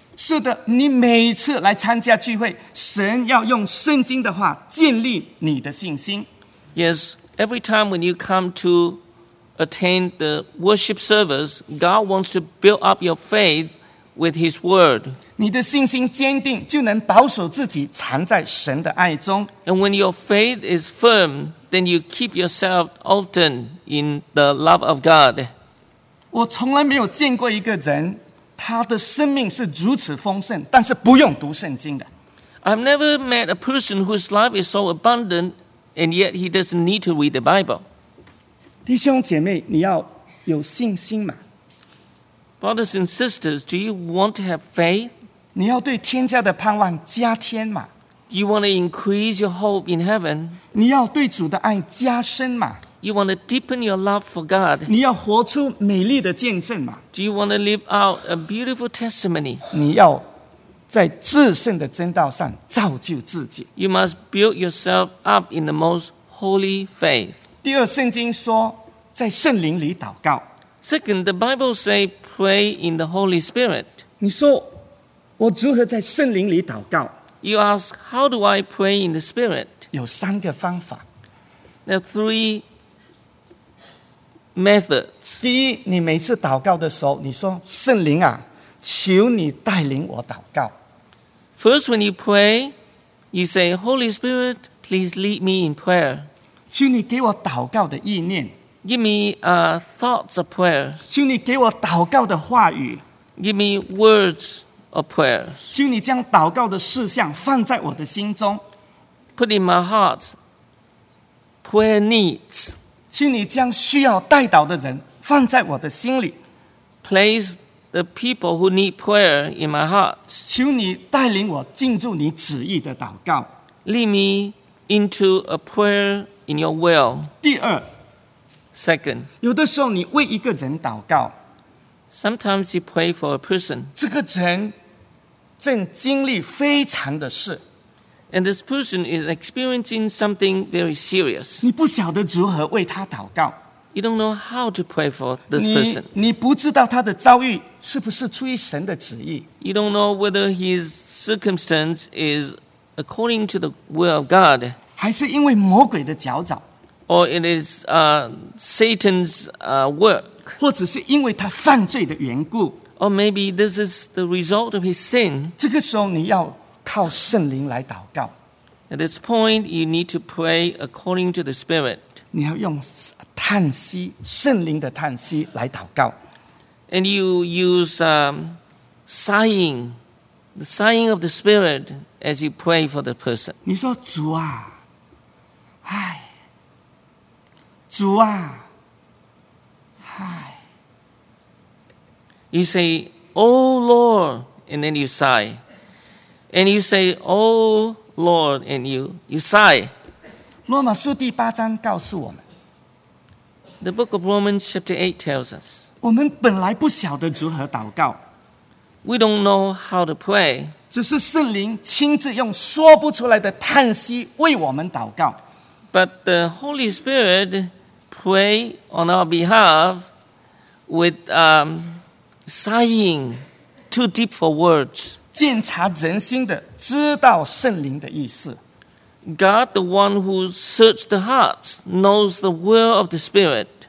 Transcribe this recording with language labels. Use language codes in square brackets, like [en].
[zh] 是的，你每次来参加聚会，神要用圣经的话建立你的信心。 [en] Yes, every time when you come to attend the worship service, God wants to build up your faith with His word. [zh] 你的信心坚定，就能保守自己藏在神的爱中。 [en] And when your faith is firm, then you keep yourself often in the love of God. [zh] 我从来没有见过一个人，他的生命是如此丰盛，但是不用读圣经的。 [en] I've never met a person whose life is so abundant. And yet he doesn't need to read the Bible. [zh] 弟兄姐妹，你要有信心吗？ [en] Brothers and sisters, do you want to have faith? [zh] 你要对天家的盼望加添吗？ [en] Do you want to increase your hope in heaven? [zh] 你要对主的爱加深吗？ [en] You want to deepen your love for God? [zh] 你要活出美丽的见证吗？ [en] Do you want to live out a beautiful testimony? [zh] 你要在至圣的真道上造就自己。 [en] You must build yourself up in the most holy faith. [zh] 第二，圣经说在圣灵里祷告。 [en] Second, the Bible say pray in the Holy Spirit. [zh] 你说我如何在圣灵里祷告？ [en] You ask how do I pray in the Spirit? [zh] 有三个方法。 [en] There are three methods. [zh] 第一，你每次祷告的时候，你说圣灵啊。求你带领我祷告。 [en] First, when you pray, you say, Holy Spirit, please lead me in prayer. [zh] 求你给我祷告的意念。 [en] Give me thoughts of prayer. [zh] 求你给我祷告的话语。 [en] Give me words of prayer. [zh] 求你将祷告的事项放在我的心中。 [en] Put in my heart, prayer needs. [zh] 求你将需要带祷的人放在我的心里。 [en] Place the people who need prayer in my heart. [zh] 求你带领我进入你旨意的祷告。 [en] Lead me into a prayer in your will. [zh] 第二。 [en] Second. [zh] 有的时候你为一个人祷告。 [en] Sometimes you pray for a person. [zh] 这个人正经历非常的事。 [en] And this person is experiencing something very serious. [zh] 你不晓得如何为他祷告。 [en] You don't know how to pray for this person. [zh] 你不知道他的遭遇是不是出于神的旨意。 [en] You don't know whether his circumstance is according to the will of God. [zh] 还是因为魔鬼的搅扰。 [en] Or it is Satan's work. [zh] 或者是因为他犯罪的缘故。 [en] Or maybe this is the result of his sin. [zh] 这个时候你要靠圣灵来祷告。 [en] At this point, you need to pray according to the Spirit. [zh] 你要用叹息，圣灵的叹息来祷告。 [en] And you use sighing, the sighing of the Spirit as you pray for the person. [zh] 你说主啊，唉，主啊，唉。 [en] You say, Oh Lord, and then you sigh. And you say, Oh Lord, and you sigh. [zh] 罗马书第八章告诉我们。 [en] The book of Romans chapter 8 tells us. [zh] 我们本来不晓得如何祷告。 [en] We don't know how to pray. [zh] 只是圣灵亲自用说不出来的叹息为我们祷告。 [en] But the Holy Spirit pray on our behalf with sighing too deep for words. [zh] 鉴察人心的知道圣灵的意思。 [en] God, the one who searches the hearts, knows the will of the Spirit.